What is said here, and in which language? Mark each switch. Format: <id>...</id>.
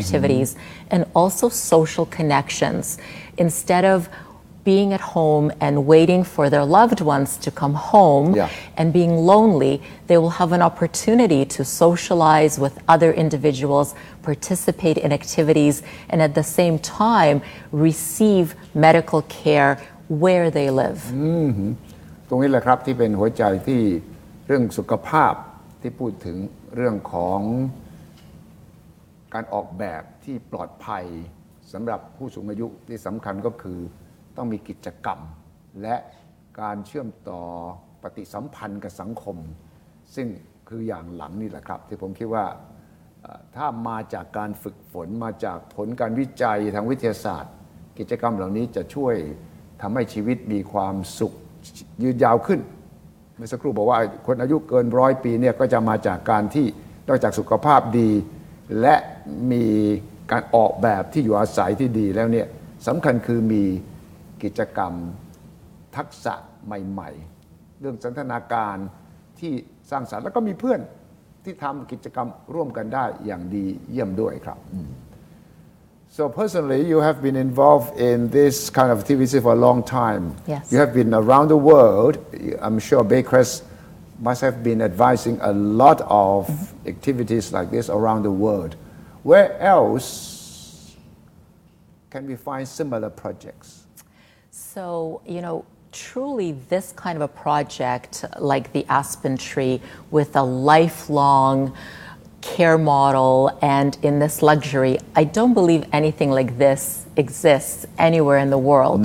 <en>activities and also social connections. Instead of being at home and waiting for their loved ones to come home yeah. and being lonely, they will have an opportunity to socialize with other individuals, participate in activities, and at the same time receive medical care where they live.</en> <th>ตรงนี้แหละครับที่เป็นหัวใจที่เรื่องสุขภาพที่พูดถึงเรื่องของการออกแบบที่ปลอดภัยสำหรับผู้สูงอายุที่สำคัญก็คือต้องมีกิจกรรมและการเชื่อมต่อปฏิสัมพันธ์กับสังคมซึ่งคืออย่างหลังนี่แหละครับที่ผมคิดว่าถ้ามาจากการฝึกฝนมาจากผลการวิจัยทางวิทยาศาสตร์กิจกรรมเหล่านี้จะช่วย ทำให้ชีวิตมีความสุขยืนยาวขึ้นเมื่อสักครู่บอกว่าคนอายุเกิน100ปีเนี่ยก็จะมาจากการที่นอกจากสุขภาพดีและมีการออกแบบที่อยู่อาศัยที่ดีแล้วเนี่ยสำคัญคือมีกิจกรรม ทักษะใหม่ๆเรื่องสันทนาการที่สร้างสรรค์แล้วก็มีเพื่อนที่ทำกิจกรรมร่วมกันได้อย่างดีเยี่ยมด้วยครับ</th> <en>So personally you have been involved in this kind of activity for a long time. Yes. You have been around the world. I'm sure Baycrest must have been advising a lot of activities like this around the world. Where else can we find similar projects? So, you know, truly this kind of a project like the Aspen Tree with a lifelong care model and in this luxury, I don't believe anything like this exists anywhere in the world,</en>